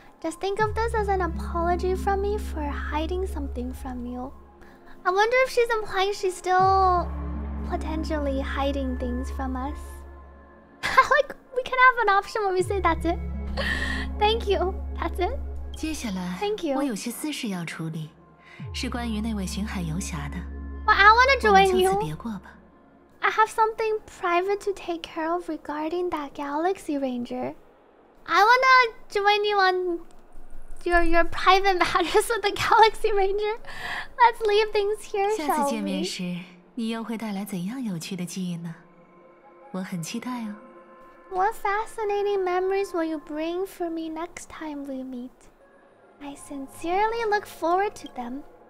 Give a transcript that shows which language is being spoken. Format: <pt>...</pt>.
<en>Just think of this as an apology from me for hiding something from you. I wonder if she's implying she's still potentially hiding things from us. Like, we can have an option when we say that's it. Thank you. That's it.</en> <zh>接下来</zh> <en>Thank you.</en> <zh>我有些私事要处理，是关于那位巡海游侠的。</zh> <en>Well, I want to join you.</en> <zh>我们就此别过吧。</zh> <en>I have something private to take care of regarding that Galaxy Ranger. I wanna join you on your private matters with the Galaxy Ranger. Let's leave things here, shall we?</en> <zh>下次见面时，你又会带来怎样有趣的记忆呢？我很期待哦。</zh> <en>What fascinating memories will you bring for me next time we meet? I sincerely look forward to them.</en>